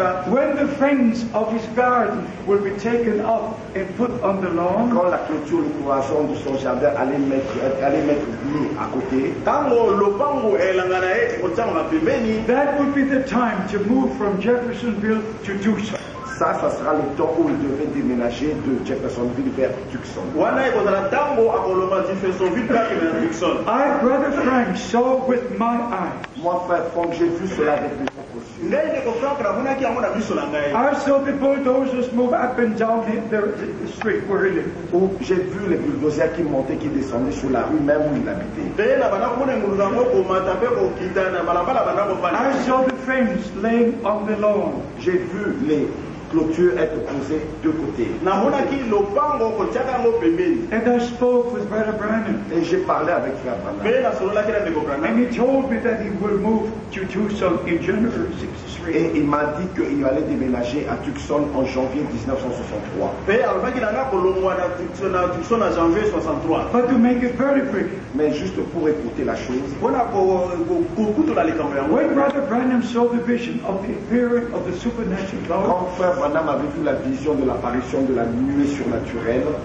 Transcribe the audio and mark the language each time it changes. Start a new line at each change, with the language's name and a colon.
English: When the fence of his garden will be taken up and put on the lawn.
French: Quand la clôture, le cloison de son jardin allait mettre mis à côté.
English: That would be the time to move from Jeffersonville to Tucson.
French: Ça sera le temps où il devait déménager de Jeffersonville vers Tucson.
English: I, Brother Frank, saw with my eyes.
French: Moi, Frère Frank, j'ai vu cela avec mes yeux.
English: I saw the bulldozers move up and down the street where he lived.
French: Où j'ai vu les bulldozers qui montaient, qui descendaient sur la rue même où il habitait.
English: I saw the fence laying on the lawn.
French: J'ai vu les clôture est posée de côté.
English: And I spoke with Brother Branham.
French: Et j'ai parlé avec Frère Branham.
English: And he told me that he will move to Tucson in January 63.
French: Et il m'a dit qu'il allait déménager à Tucson en janvier 1963.
English: But to make it very quick.
French: Mais juste pour écouter la chose.
English: When Brother Branham saw the vision of the appearing of the supernatural God.
French: Branham avait vu la vision de l'apparition de la nuée surnaturelle.